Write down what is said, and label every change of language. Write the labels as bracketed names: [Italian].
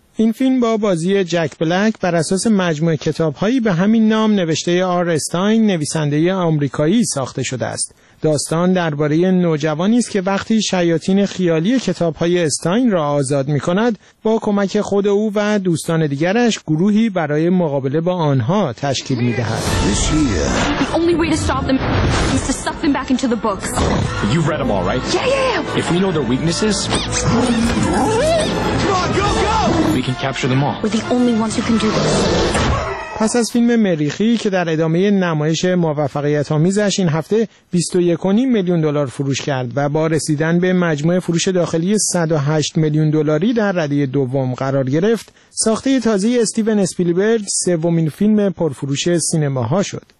[Persian] این فیلم با بازی جک بلک بر اساس مجموعه کتاب‌هایی به همین نام نوشته آر استاین نویسنده آمریکایی ساخته شده است. داستان درباره نوجوانی است که وقتی شیاطین خیالی کتاب‌های استاین را آزاد می‌کند، با کمک خود او و دوستان دیگرش گروهی برای مقابله با آنها تشکیل می‌دهد. [English] The only way to stop them is to suck them back into the books. You've read them all, right? Yeah, yeah. If we know their weaknesses, come on, go, go. We can capture them all. We're the only ones who can do this. [Persian] پس از فیلم مریخی که در ادامه نمایش موفقیت آمیزش این هفته 21.5 میلیون دلار فروش کرد و با رسیدن به مجموع فروش داخلی 108 میلیون دلاری در رده دوم قرار گرفت، ساخته تازه استیون اسپیلبرگ سومین فیلم پرفروش سینماها شد.